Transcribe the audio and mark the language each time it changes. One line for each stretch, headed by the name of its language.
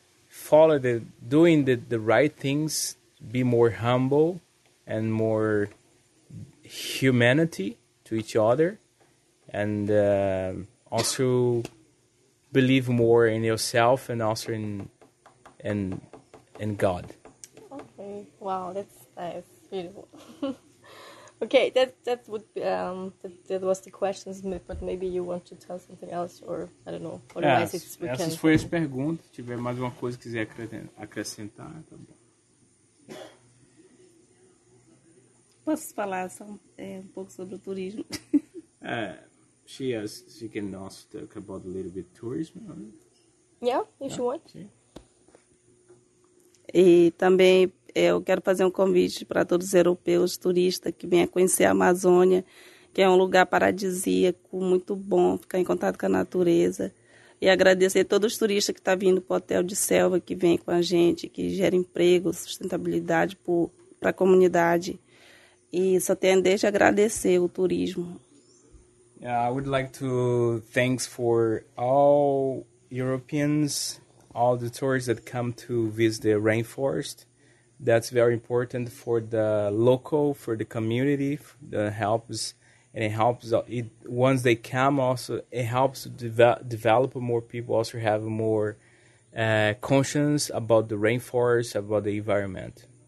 English: follow the doing the right things, be more humble and more humanity to each other, and also believe more in yourself and also in God. Okay, wow, that's nice, beautiful. Okay, that would be, that was the questions, but maybe you want to tell something else, or I don't know. Otherwise, it's
Portuguese: weekend. Essas foram as perguntas. Se tiver mais uma coisa que quiser acrescentar, tá bom. Posso falar só um pouco sobre o turismo?
English: She can also talk about a little bit tourism. Yeah, if you want.
Portuguese: E também eu quero fazer um convite para todos os europeus, turistas, que venham conhecer a Amazônia, que é um lugar paradisíaco, muito bom, ficar em contato com a natureza. E agradecer a todos os turistas que estão vindo para o Hotel de Selva, que vem com a gente, que gera emprego, sustentabilidade para a comunidade. E só tenho desde agradecer o turismo.
English: Yeah, I would like to thanks for all Europeans, all the tourists that come to visit the rainforest. That's very important for the local, for the community, that helps, and it helps, it, once they come also, it helps develop more people, also have more conscience about the rainforest, about the environment.